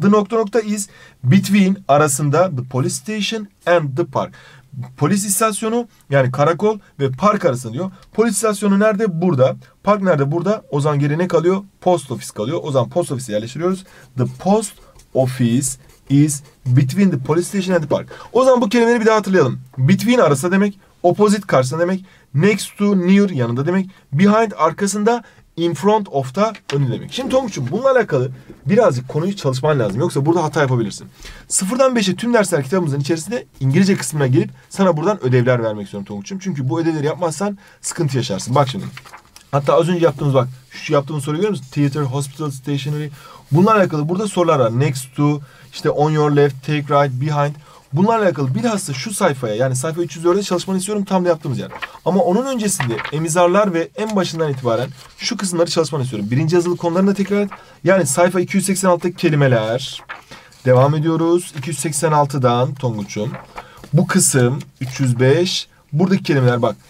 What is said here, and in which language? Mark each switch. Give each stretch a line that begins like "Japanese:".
English: The nokta nokta is between, arasında, the police station and the park.
Turkish: Polis istasyonu, yani karakol ve park arasında diyor. Polis istasyonu nerede? Burada. Park nerede? Burada. O zaman geri ne kalıyor? Post office kalıyor. O zaman post office'i yerleştiriyoruz.
English: The post office is between the police station and the park.
Turkish: O zaman bu kelimeleri bir daha hatırlayalım. Between arasında demek. Opposite karşısında demek. Next to, near yanında demek. Behind arkasında. In front of da önü demek. Şimdi Tonguç'um bununla alakalı birazcık konuyu çalışman lazım. Yoksa burada hata yapabilirsin. 0'dan 5'e tüm dersler kitabımızın içerisinde İngilizce kısmına gelip sana buradan ödevler vermek istiyorum Tonguç'um. Çünkü bu ödevleri yapmazsan sıkıntı yaşarsın. Bak şimdi. Hatta az önce yaptığımız, bak şu yaptığımız soruyu görüyor musun?
English: Theater, hospital, stationery.
Turkish: Bununla alakalı burada sorular var.
English: Next to, işte on your left, take right, behind.
Turkish: Bunlarla alakalı bilhassa şu sayfaya, yani sayfa 304'de çalışmanı istiyorum, tam da yaptığımız yer. Ama onun öncesinde emizarlar ve en başından itibaren şu kısımları çalışmanı istiyorum. Birinci yazılı konularını da tekrar et. Yani sayfa 286'daki kelimeler. Devam ediyoruz. 286'dan Tonguç'um. Bu kısım 305. Buradaki kelimeler bak.